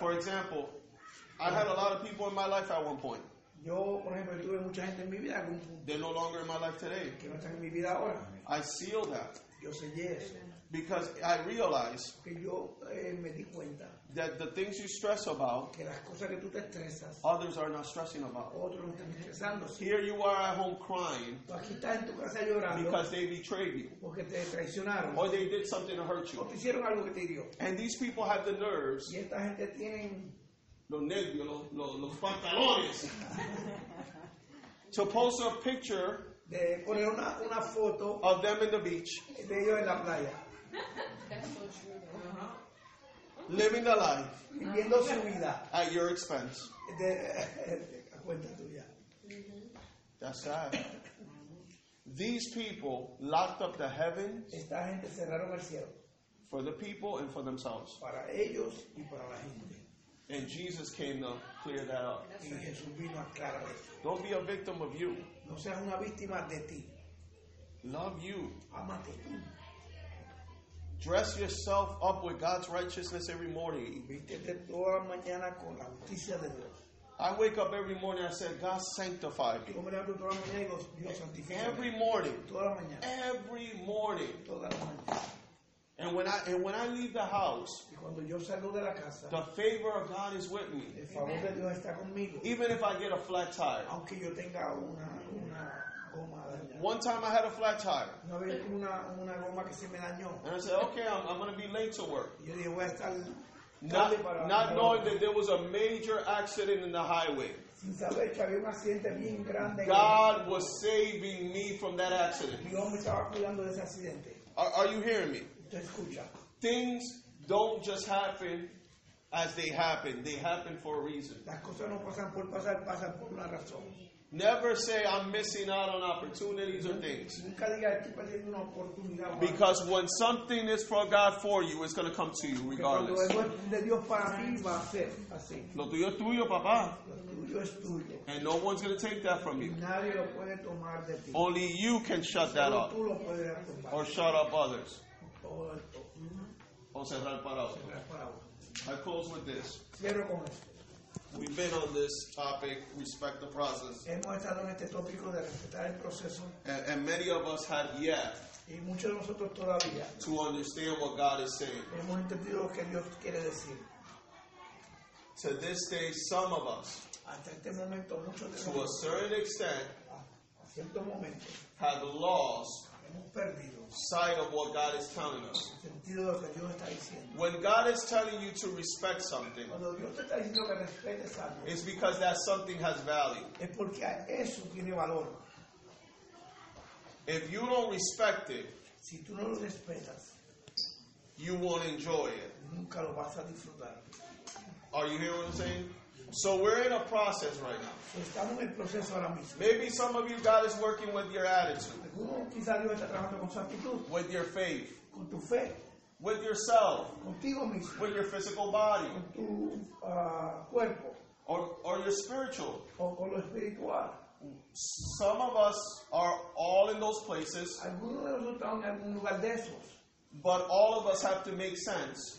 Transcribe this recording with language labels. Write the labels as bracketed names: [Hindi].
[English] for example, I had a lot of people in my life at one point. [Spanish] Yo, por ejemplo, tuve mucha gente en mi vida en algún punto. [English] They're no longer in my life today. [Spanish] Que no están en mi vida ahora. [English] I seal that. [Spanish] Yo sellé eso. [English] Because I realize [Spanish] que yo, me di cuenta [English] that the things you stress about, [Spanish] que las cosas que tú te estresas, [English] others are not stressing about. [Spanish] Otros no están estresándose. [English] Here you are at home crying [Spanish] aquí estás en tu casa llorando [English] because they betrayed you. [Spanish] Porque te traicionaron. [English] Or they did something to hurt you. [Spanish] O te hicieron algo que te hirió. [English] And these people have the nerves. [Spanish] Y esta gente tienen los nervios, los pantalones. [English] To post a picture [Spanish] de poner una foto [English] of them in the beach. [Spanish] De ellos en la playa. [English] Living the life. [Spanish] Viviendo su vida. [English] At your expense. [Spanish] De cuenta tuya. [English] That's sad. These people locked up the heavens. [Spanish] Esta gente cerraron el cielo. [English] For the people and for themselves. [Spanish] Para ellos y para la gente. [English] And Jesus came to clear that up. [Spanish] Y Jesús vino a aclarar eso. [English] Don't be a victim of you. [Spanish] No seas una víctima de ti. [English] Love you. [Spanish] Amate. [English] Dress yourself up with God's righteousness every morning. [Spanish] Vístete toda mañana con la justicia de Dios. [English] I wake up every morning and I say, God sanctify me. [Spanish] Yo me levanto toda mañana y digo, Dios santifica. [English] Every morning. [Spanish] Toda la mañana. [English] Every morning. [Spanish] Toda la mañana. [English] And when I leave the house, [Spanish] y cuando yo salgo de la casa, [English] the favor of God is with me. [Spanish] El favor de Dios está conmigo. [English] Even if I get a flat tire. [Spanish] Aunque yo tenga una goma dañada. [English] One time I had a flat tire. [Spanish] Una vez una goma que se me dañó. [English] And I said, okay, I'm going to be late to work. [Spanish] Yo dije, voy a estar tarde [English] not knowing that there was a major accident in the highway. [Spanish] Sin saber que había un accidente bien grande. [English] God was saving me from that accident. [Spanish] Dios me estaba cuidando de ese accidente. [English] Are you hearing me? Things don't just happen as they happen. They happen for a reason. [Spanish] Las cosas no pasan por pasar, pasan por una razón. [English] Never say I'm missing out on opportunities or things. [Spanish] Nunca diga estoy perdiendo una oportunidad. [English] Because when something is for God for you, it's going to come to you regardless. [Spanish] Lo tuyo es de Dios para mí, va a ser así. Lo tuyo es tuyo, papá. Es tuyo. [English] And no one's going to take that from you. [Spanish] Nadie lo puede tomar de ti. [English] Only you can shut that up. [Spanish] Tú lo puedes tomar. [English] Or shut up others. [Spanish] O cerrar para otro. [English] I close with this. [Spanish] Cierro con esto. [English] We've been on this topic, respect the process. [Spanish] Hemos estado en este tópico de respetar el proceso. [English] And many of us have yet. [Spanish] Y muchos de nosotros todavía. [English] To understand what God is saying. [Spanish] Hemos entendido lo que Dios quiere decir. [English] To this day, some of us. [Spanish] Hasta este momento, muchos de nosotros. [English] To a certain extent. [Spanish] A cierto momento. [English] Have lost. [Spanish] Hemos perdido. [English] Sight of what God is telling us. [Spanish] Sentido lo que Dios está diciendo. [English] When God is telling you to respect something, [Spanish] cuando Dios te está diciendo que respetes algo, [English] it's because that something has value. [Spanish] Es porque eso tiene valor. [English] If you don't respect it, [Spanish] si tú no lo respetas, [English] you won't enjoy it. [Spanish] Nunca lo vas a disfrutar. [English] Are you hearing what I'm saying? So we're in a process right now. [Spanish] Estamos en el proceso ahora mismo. [English] Maybe some of you, God is working with your attitude. [Spanish] Quizá Dios está trabajando con su actitud. [English] With your faith. [Spanish] Con tu fe. [English] With yourself. [Spanish] Contigo mismo. [English] With your physical body. [Spanish] Con tu cuerpo. [English] Or your spiritual. [Spanish] O con lo espiritual. [English] Some of us are all in those places. [Spanish] Algunos de nosotros están en algún lugar de esos. [English] But all of us have to make sense.